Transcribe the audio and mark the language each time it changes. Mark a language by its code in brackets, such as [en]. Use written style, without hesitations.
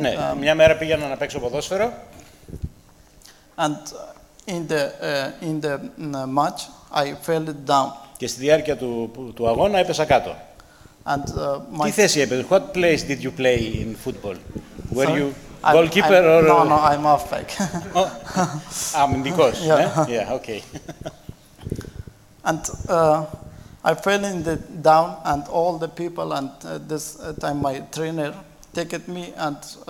[el] ναι, μια μέρα πήγαινα να παίξω ποδόσφαιρο. [en] And in the match I fell down. [el] Και στη διάρκεια του αγώνα έπεσα κάτω. [en] And, [el] τι θέση έπαιζε, [en] what place did you play in football? Were you goalkeeper or... No, I'm off-back. [el] Αμυντικός, yeah, okay. [en] And I fell in the down and all the people and this time my trainer taken me and...